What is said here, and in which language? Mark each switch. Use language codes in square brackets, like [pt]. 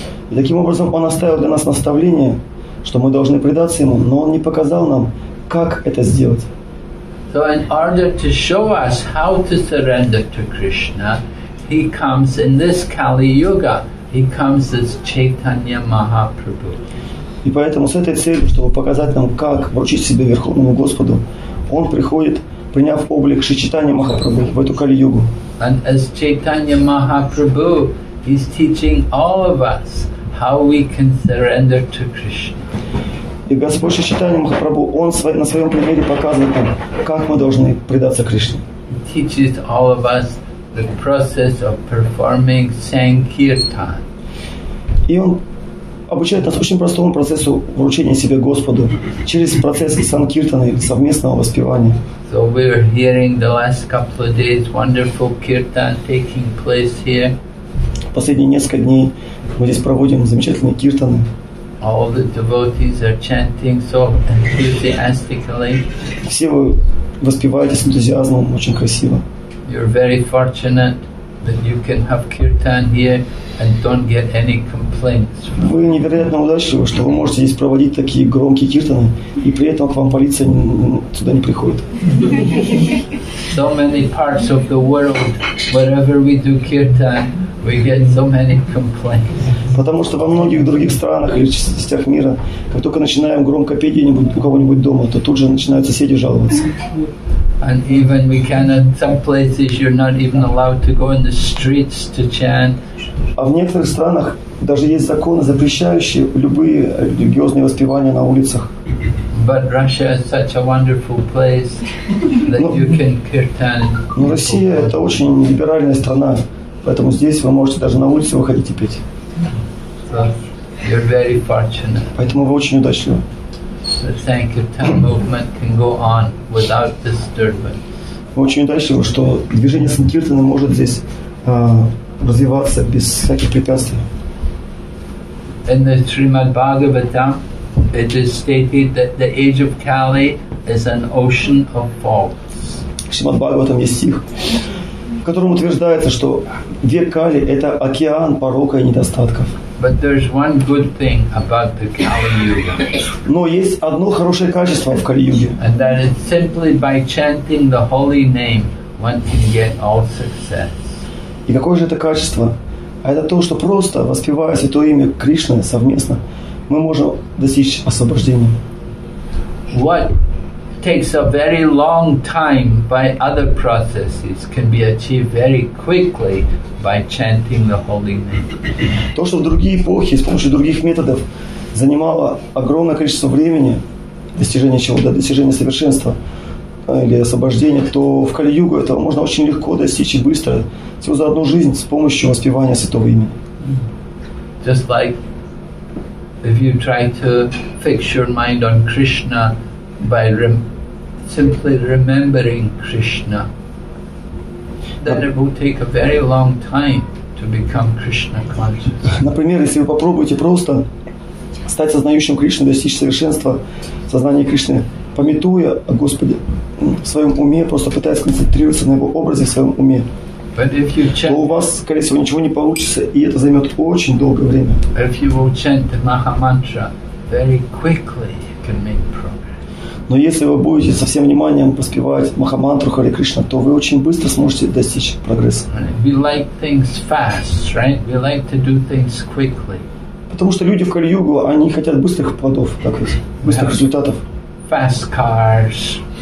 [ru] И таким образом Он оставил для нас наставление, что мы должны предаться Ему, но Он не показал нам, как это сделать. [en] So in order to show us how to surrender to Krishna, He comes in this Kali Yuga. He comes as Chaitanya Mahaprabhu. [ru] И поэтому с этой целью, чтобы показать нам, как вручить себя Верховному Господу, Он приходит, приняв облик Шри Чайтаньи Махапрабху в эту Кали Югу. [en] And as Chaitanya Mahaprabhu, He's teaching all of us how we can surrender to Krishna. [ru] И Господь Шри Чайтанья Махапрабху, Он на своем примере показывает нам, как мы должны предаться Кришне. [en] He teaches all of us the process of performing Sankirtan. [ru] И Он обучает нас очень простому процессу вручения себя Господу через процесс Санкиртаны, совместного воспевания. [en] So we're hearing the last couple of days wonderful Kirtan taking place here. [ru] Последние несколько дней мы здесь проводим замечательные киртаны. [en] All the devotees are chanting so enthusiastically. [ru] Все вы воспеваете с энтузиазмом, очень красиво. [en] You're very fortunate that you can have kirtan here and don't get any complaints. [ru] Вы невероятно удачливы, что вы можете здесь проводить такие громкие киртаны, и при этом к вам полиция сюда не приходит. [en] So many parts of the world, wherever we do kirtan, we get so many complaints. [ru] Потому что во многих других странах или частях мира, как только начинаем громко петь у кого-нибудь дома, то тут же начинают соседи жаловаться. [en] And even we cannot, some places you're not even allowed to go in the streets to chant. [ru] А в некоторых странах даже есть законы, запрещающие любые религиозные воспевания на улицах. [en] But Russia is such a wonderful place that you can kirtan. [ru] Но Россия — это очень либеральная страна, поэтому здесь вы можете даже на улице выходить и петь. [en] So you're very fortunate. [ru] Поэтому вы очень удачливы. [en] The Sankirtan movement can go on without disturbance. [ru] Вы очень удачливы, что движение Санкиртана может здесь развиваться без всяких препятствий. [en] In the Srimad Bhagavatam, it is stated that the age of Kali is an ocean of faults. [ru] В Шримад Бхагаватам есть стих, в котором утверждается, что век Кали — это океан порока и недостатков. [en] But there's one good thing about the Kali Yuga. [ru] Но есть одно хорошее качество в Кали Юге. [en] And that is simply by chanting the holy name, one can get all success. [ru] И какое же это качество? А это то, что просто воспевая святое имя Кришны совместно, мы можем достичь освобождения. [en] What takes a very long time by other processes can be achieved very quickly by chanting the holy name. [ru] То, что в другие эпохи с помощью других методов занимало огромное количество времени достижения чего-то, достижения совершенства или освобождения, то в Кали-Югу этого можно очень легко достичь и быстро, всего за одну жизнь с помощью воспевания святого имени. [en] Just like if you try to fix your mind on Krishna by simply remembering Krishna, then it will take a very long time. to become Krishna conscious. [ru] Например, если вы попробуете просто стать сознающим Кришну, достичь совершенства сознания Кришны, памятуя о Господе в своем уме, просто пытаясь концентрироваться на его образе в своем уме, то у вас, скорее всего, ничего не получится, и это займет очень долгое время. [en] If you will chant the Maha Mantra, very quickly you can make progress. [ru] Но если вы будете со всем вниманием поспевать Махамантру Харе Кришна, то вы очень быстро сможете достичь прогресса. [en] We like things fast, right? We like to do things quickly. [ru] Потому что люди в Кали-Югу, они хотят быстрых плодов, так ведь, быстрых результатов. [en] Fast cars.